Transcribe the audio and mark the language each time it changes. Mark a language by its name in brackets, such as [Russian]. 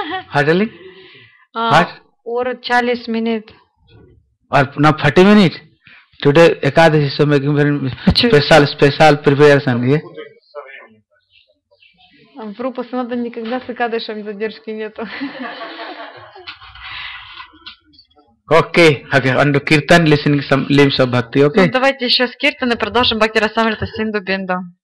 [English] What, darling? What? Or 40 minutes. Or not 40 minutes? Today, Ekadashi is so making very special preparation. [Russian] В Рупу Санада никогда с Экадашем задержки нету. [English] Okay, and the Kirtan listening some limbs of Bhakti, okay? [Russian] Ну, давайте еще с Киртаны продолжим Бхакти Расамрита Синду Бинду.